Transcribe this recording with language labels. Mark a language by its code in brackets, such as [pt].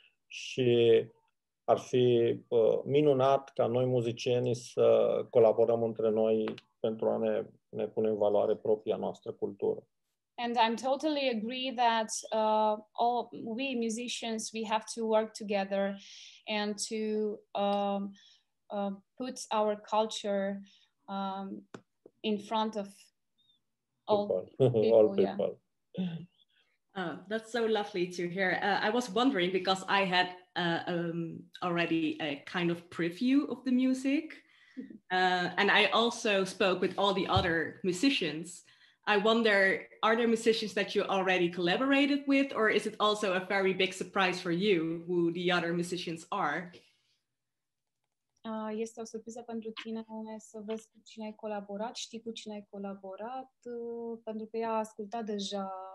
[ro] Și ar fi minunat ca noi muzicienii să colaborăm între noi pentru a ne pune în valoare propria noastră cultură. [en] And I'm totally agree that all we musicians, we have to work together and to put our culture in front of all people. All people. Yeah. That's so lovely to hear. I was wondering because I had already a kind of preview of the music and I also spoke with all the other musicians. I wonder, are there musicians that you already collaborated with, or is it also a very big surprise for you who the other musicians are? [ro] Este o surpriză pentru tine să vezi cu cine ai colaborat, știi cu cine ai colaborat, pentru că ea a ascultat deja.